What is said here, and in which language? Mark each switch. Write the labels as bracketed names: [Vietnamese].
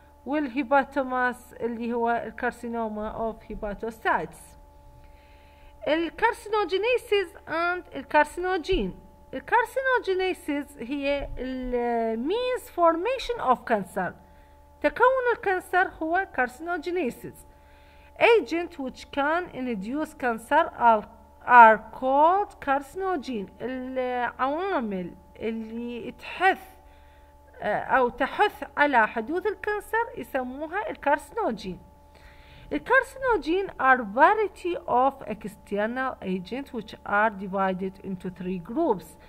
[Arabic] والهيباتوماس اللي هو الكارسينوما [English] of hepatocytes. [Arabic] الكارسينوجينيسيس and الكارسينوجين. [English] الكارسينوجينيسيس هي means formation of cancer. [Arabic] تكون الكانسر هو كارسينوجينيسيس. [English] agent which can induce cancer are called carcinogen. [Arabic] العوامل اللي تحث او تحث على حدوث الكانسر يسموها الكارسينوجين. [English] الكارسينوجين are variety of external agents which are divided into three groups.